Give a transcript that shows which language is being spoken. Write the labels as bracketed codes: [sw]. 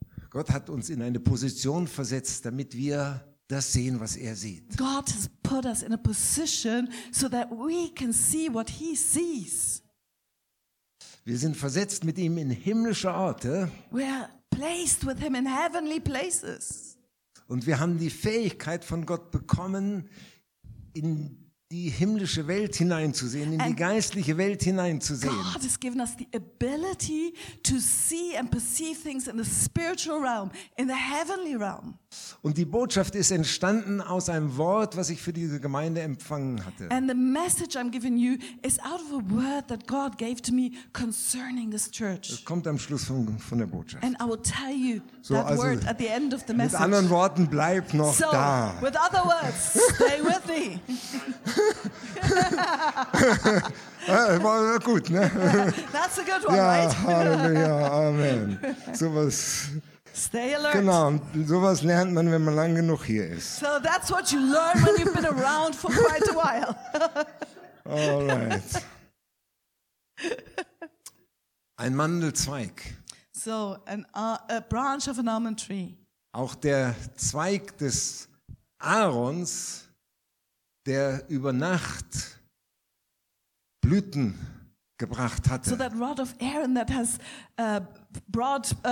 [de] Gott hat uns in eine Position versetzt, damit wir das sehen, was er sieht. [en] God has put us in a position so that we can see what he sees. [de] Wir sind versetzt mit ihm in himmlische Orte. [en] We are placed with him in heavenly places. [de] Und wir haben die Fähigkeit von Gott bekommen, in die himmlische Welt hineinzusehen, in die geistliche Welt hineinzusehen. [en] God has given us the ability to see and perceive things in the spiritual realm, in the heavenly realm. [de] Und die Botschaft ist entstanden aus einem Wort, was ich für diese Gemeinde empfangen hatte. [en] And the message I'm giving you is out of a word that God gave to me concerning this church. [de] Das kommt am Schluss von der Botschaft. [en] And I will tell you so, that also, word at the end of the message. [de] Mit anderen Worten, bleib noch so, da. [en] So, with other words, stay with me. [de] War gut, ne? [en] That's a good one, [de] ja, [en] right? [de] Halleluja, Amen. So was... [en] Stay alert. [de] Genau, und sowas lernt man, wenn man lang genug hier ist. [en] So that's what you learn when you've been around for quite a while. All right. [de] Ein Mandelzweig. [en] So, a branch of an almond tree. [de] Auch der Zweig des Aarons, der über Nacht Blüten gebracht hatte. [en] So that rod of Aaron that has brought...